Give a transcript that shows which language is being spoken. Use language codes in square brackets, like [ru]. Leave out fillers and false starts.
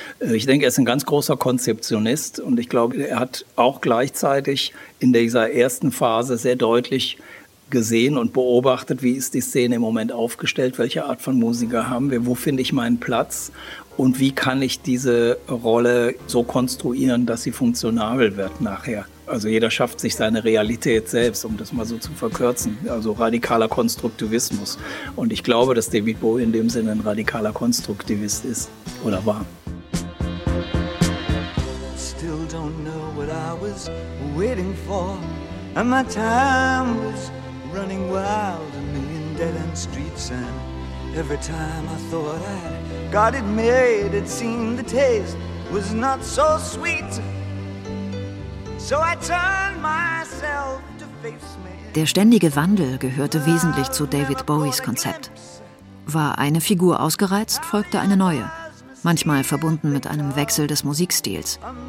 [de] Ich denke, er ist ein ganz großer Konzeptionist und ich glaube, er hat auch gleichzeitig in dieser ersten Phase sehr deutlich gesehen und beobachtet, wie ist die Szene im Moment aufgestellt, welche Art von Musiker haben wir, wo finde ich meinen Platz und wie kann ich diese Rolle so konstruieren, dass sie funktionabel wird nachher. Also jeder schafft sich seine Realität selbst, um das mal so zu verkürzen. Also radikaler Konstruktivismus. Und ich glaube, dass David Bowie in dem Sinne ein radikaler Konstruktivist ist oder war. [en] Still don't know what I was waiting for. And my time was running wild. A million dead end streets. And every time I thought I got it made, it seemed the taste was not so sweet. So I turn myself to face me. [de] Der ständige Wandel gehörte wesentlich zu David Bowies Konzept. War eine Figur ausgereizt, folgte eine neue. Manchmal verbunden mit einem Wechsel des Musikstils.